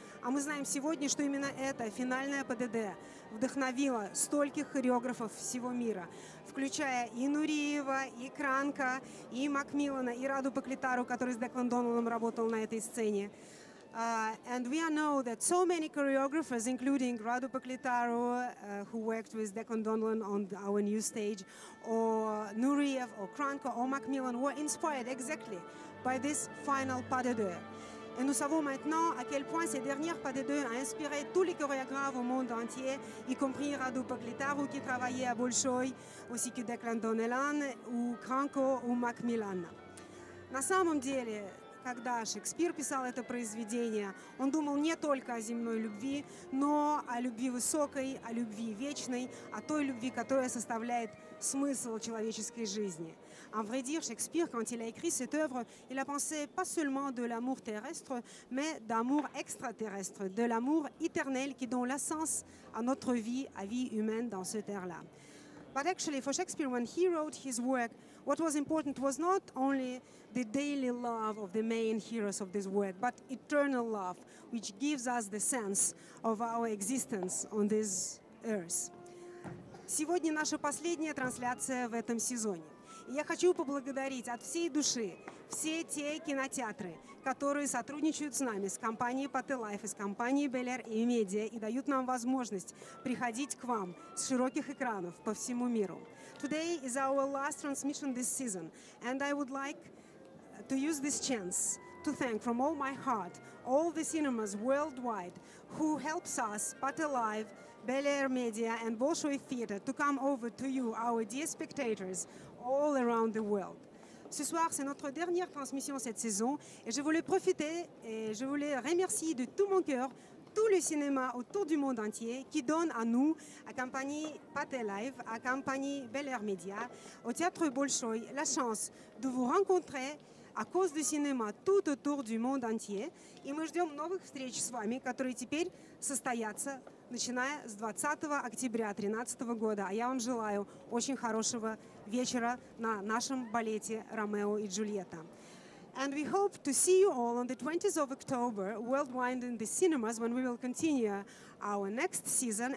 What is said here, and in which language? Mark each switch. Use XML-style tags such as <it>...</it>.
<ru>А мы знаем сегодня, что именно это финальное ПДД вдохновило стольких хореографов всего мира, включая и Нуриева, и Кранка, и Макмиллана, и Раду Паклитару, который с Деклан Доналом работал на этой сцене.</ru> <en>And we know that so many choreographers, including Radu Paklitaru, who worked with Declan Donlon on our new stage, or Nureyev, or Kranko, or Macmillan, were inspired exactly by this final pas de deux.</en> <fr>Et nous savons maintenant à quel point ces dernières pas de deux ont inspiré tous les chorégraphes au monde entier, y compris Radu Paklitaru, qui travaillait à Bolshoi, aussi que Declan Donlon, ou Kranko, ou Macmillan.</fr> <ru>На самом деле, когда Шекспир писал это произведение, он думал не только о земной любви, но о любви высокой, о любви вечной, о той любви, которая составляет смысл человеческой жизни.</ru> <fr>En vrai dire, Shakespeare, quand il a écrit cette œuvre, il a pensé pas seulement de l'amour terrestre, mais d'amour extraterrestre, de l'amour éternel qui donne la sens à notre vie, à vie humaine dans cette terre-là.</fr> <en>But actually, for Shakespeare, when he wrote his work, what was important was not only the daily love of the main heroes of this work, but eternal love, which gives us the sense of our existence on this earth.</en> <ru>Сегодня наша последняя трансляция в этом сезоне. Я хочу поблагодарить от всей души все те кинотеатры, которые сотрудничают с нами, с компанией Pathé Life, с компанией Bel Air и Media, и дают нам возможность приходить к вам с широких экранов по всему миру.</ru> <en>Today is our last transmission this season, and I would like to use this chance to thank from all my heart all the cinemas worldwide who helps us, Pathé Life, Bel Air Media and Bolshoi Theater, to come over to you, our dear spectators, all around the world.</en> <fr>Ce soir, c'est notre dernière transmission cette saison et je voulais profiter et je voulais remercier de tout mon cœur tout le cinéma autour du monde entier qui donne à nous, à compagnie Pathé Life, à compagnie Bel Air Media, au théâtre Bolshoi, la chance de vous rencontrer à cause du cinéma tout autour du monde entier. Et nous</fr> <ru>ждем новых встреч с вами, которые теперь состоятся, начиная с 20 октября 2013 года. А я вам желаю очень хорошего вечера на нашем балете «Ромео и Джульетта».</ru> <en>And we hope to see you all on the 20th of October worldwide in the cinemas when we will continue our next season.</en>